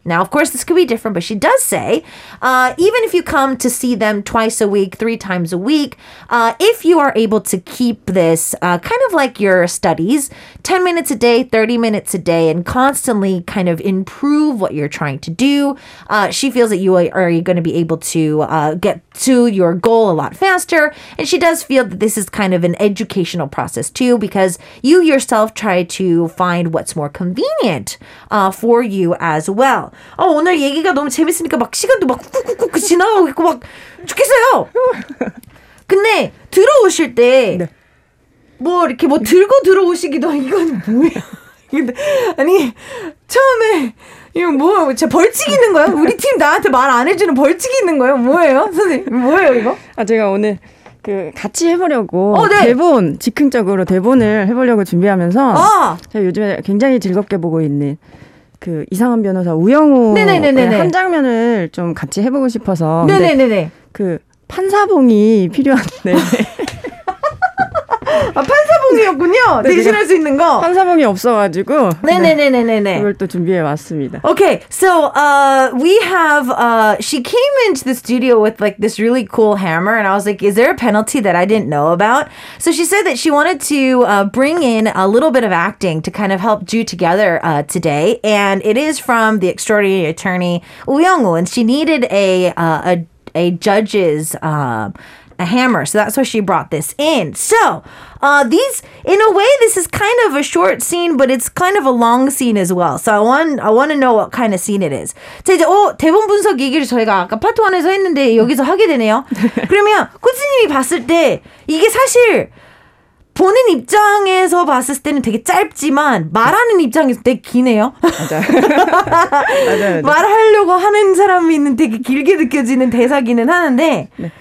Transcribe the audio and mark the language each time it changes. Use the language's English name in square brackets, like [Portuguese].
[English] Now, of course, this could be different, but she does say, even if you come to see them twice a week, three times a week, if you are able to keep this kind of like your studies, 10 minutes a day, 30 minutes a day, and constantly kind of improve what you're trying to do, she feels that you are going to be able to get to your goal a lot faster. And she does feel that this is kind of an educational process too, because you yourself try to find what's more convenient for you as well. [Korean] 오늘 얘기가 너무 재밌으니까 막 시간도 막 꾹꾹꾹 지나가고 있고 막 죽겠어요. 근데 들어오실 때 뭐 이렇게 뭐 들고 들어오시기도 한 이건 뭐야? 아니 처음에 이거 뭐 제 벌칙 있는 거야? 우리 팀 나한테 말 안 해주는 벌칙이 있는 거야? 뭐예요, 선생님? 뭐예요 이거? 아 제가 오늘 그 같이 해보려고 대본 즉흥적으로 대본을 해보려고 준비하면서 제가 요즘에 굉장히 즐겁게 보고 있는 그 이상한 변호사 우영우 한 장면을 좀 같이 해보고 싶어서 그 판사봉이 필요한데 아, 판사봉이었군요. 대신할 수 있는 거. 판사봉이 없어가지고. 네네네네네. 이걸 또 준비해 왔습니다. [English] Okay, so we have she came into the studio with like this really cool hammer, and I was like, is there a penalty that I didn't know about? So she said that she wanted to bring in a little bit of acting to kind of help you together today, and it is from the extraordinary attorney Woo Young-woo, and she needed a judge's. A hammer, so that's why she brought this in. So, these, in a way, this is kind of a short scene, but it's kind of a long scene as well. So I want to know what kind of scene it is. [Korean] 자 이제 대본 분석 얘기를 저희가 아까 파트 1에서 했는데 여기서 하게 되네요. 그러면 코치님이 봤을 때 이게 사실 보는 입장에서 봤을 때는 되게 짧지만 말하는 입장에서 되게 기네요. 맞아요. 말하려고 하는 사람이 있는 되게 길게 느껴지는 대사기는 하는데. 네.